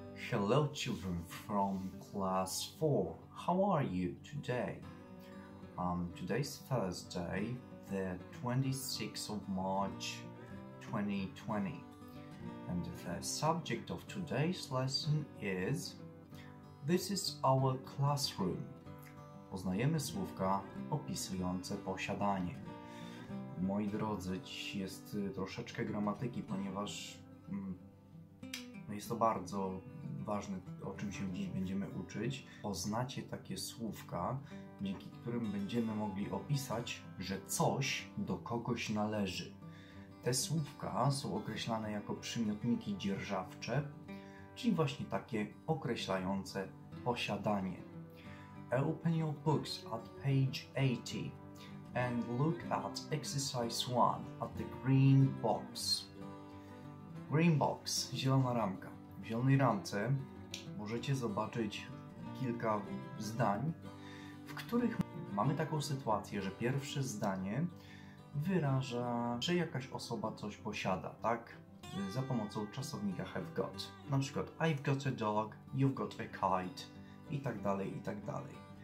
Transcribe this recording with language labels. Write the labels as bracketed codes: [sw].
[en] Hello, children from class 4. How are you today? Today's Thursday, the 26th of March 2020. And the subject of today's lesson is This is our classroom. [pl] Poznajemy słówka opisujące posiadanie. Moi drodzy, dziś jest troszeczkę gramatyki, ponieważ jest to bardzo ważne, o czym się dziś będziemy uczyć. Poznacie takie słówka, dzięki którym będziemy mogli opisać, że coś do kogoś należy. Te słówka są określane jako przymiotniki dzierżawcze, czyli właśnie takie określające posiadanie. [en] Open your books at page 80 and look at exercise 1 at the green box. Green box, [pl] zielona ramka. W zielonej ramce możecie zobaczyć kilka zdań, w których mamy taką sytuację, że pierwsze zdanie wyraża, że jakaś osoba coś posiada, tak? Za pomocą czasownika have got. Na przykład [en] I've got a dog, you've got a kite [pl] i tak dalej, i tak dalej.